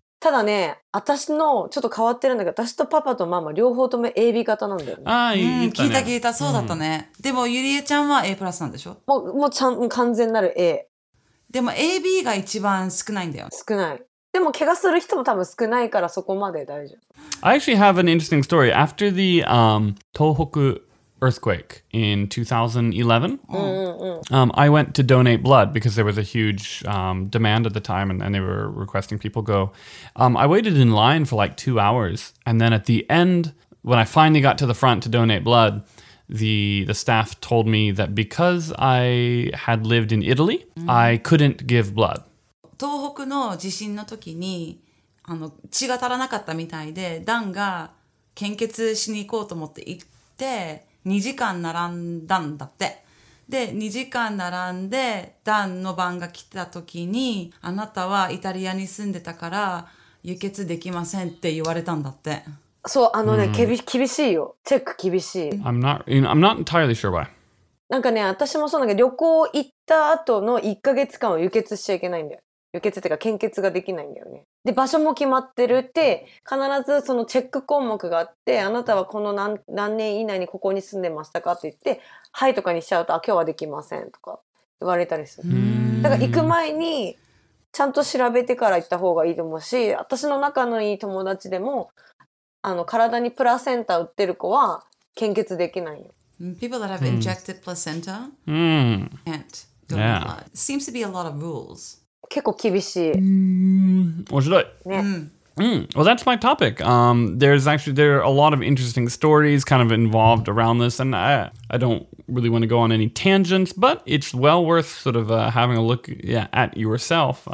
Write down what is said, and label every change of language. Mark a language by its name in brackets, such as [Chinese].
[Japanese] ただね、私のちょっと変わってるんだけど、私とパパとママ両方とも AB 型なんだよね。ああ、うん、聞いた聞いた、そうだったね。うん、でも、ゆりえちゃんは A プラスなんでしょ？もうちゃん、完全なる A。でも AB が一番少ないんだよ。少ない。でも、怪我する人も多分少ないから、そこまで大丈夫。 [English] I actually have an interesting story. After the, 東北 earthquake in 2011, I went to donate blood because there was a huge demand at the time and they were requesting people go. I waited in line for like 2 hours and then at the end, when I finally got to the front to donate blood, the staff told me that because I had lived in Italy, I couldn't give blood. [Japanese] 東北の地震の時に血が足らなかったみたいで、ダンが献血しに行こうと思って行って、2時間並んだんだって。で、2時間並んで、ダンの番が来た時に、あなたはイタリアに住んでたから、輸血できませんって言われたんだって。そう、ね、厳しいよ。チェック厳しい。 I'm not entirely sure why. なんかね、私もそうなんだけど、旅行行った後の1ヶ月間は輸血しちゃいけないんだよ。輸血っていうか、献血ができないんだよね。で、場所も決まってるって、必ずそのチェック項目があって、あなたはこの 何年以内にここに住んでましたかって言って、はいとかにしちゃうと、あ、今日はできませんとか言われたりする。だから行く前に、ちゃんと調べてから行った方がいいと思うし、私の仲のいい友達でも、体にプラセンタ売ってる子は献血できないよ。 [English] People that have injected placenta can't donate blood. Seems to be a lot of rules. [Japanese] 結構厳しい。面白い。ね。 [English] Well, that's my topic. There are a lot of interesting stories kind of involved around this, and I don't really want to go on any tangents, but it's well worth sort of having a look at yourself.